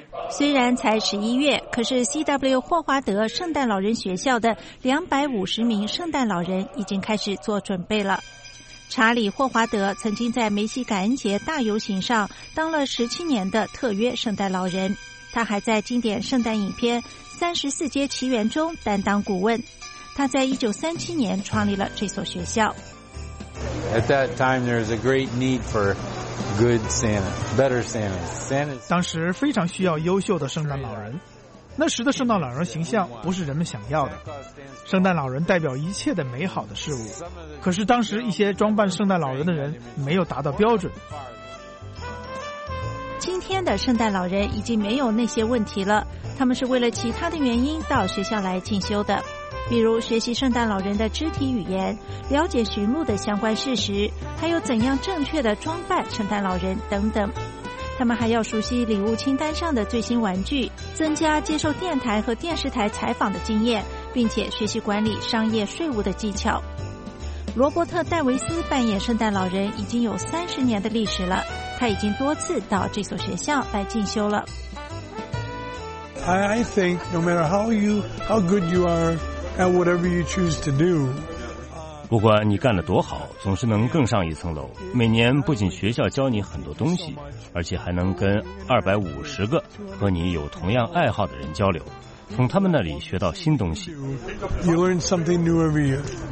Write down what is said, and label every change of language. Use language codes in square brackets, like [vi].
[zh] 虽然才11月，可是 CW 霍华德圣诞老人学校的250名圣诞老人已经开始做准备了。查理·霍华德曾经在梅西感恩节大游行上当了17年的特约圣诞老人，他还在经典圣诞影片《34街奇缘》中担当顾问。他在1937年创立了这所学校。 [en] At that time, there is a great need for good Santa, better Santa. Santa. [zh] 当时非常需要优秀的圣诞老人。那时的圣诞老人形象不是人们想要的。圣诞老人代表一切的美好的事物。可是当时一些装扮圣诞老人的人没有达到标准。今天的圣诞老人已经没有那些问题了。他们是为了其他的原因到学校来进修的。比如学习圣诞老人的肢体语言，了解驯鹿的相关事实，还有怎样正确的装扮圣诞老人等等。他们还要熟悉礼物清单上的最新玩具，增加接受电台和电视台采访的经验，并且学习管理商业税务的技巧。罗伯特·戴维斯扮演圣诞老人已经有30年的历史了，他已经多次到这所学校来进修了。 [en] I think no matter how good you areAnd whatever you choose to do, [zh] 不管你干得多好，总是能更上一层楼。每年不仅学校教你很多东西，而且还能跟250个和你有同样爱好的人交流，从他们那里学到新东西。 [en] You learn something new every year.